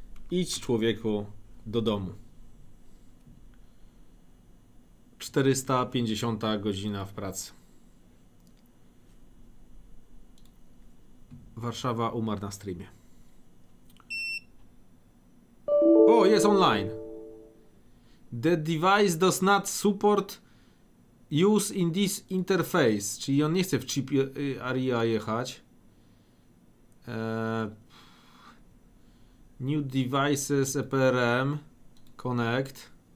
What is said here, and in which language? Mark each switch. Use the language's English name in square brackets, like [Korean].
[Polish] Idź, człowieku, do domu. 450 godzina w pracy. Warszawa umarł na streamie. O, jest online. [English] The device does not support use in this interface. [Polish] Czyli on nie chce w chip ARIA jechać. [English] New devices EPRM connect.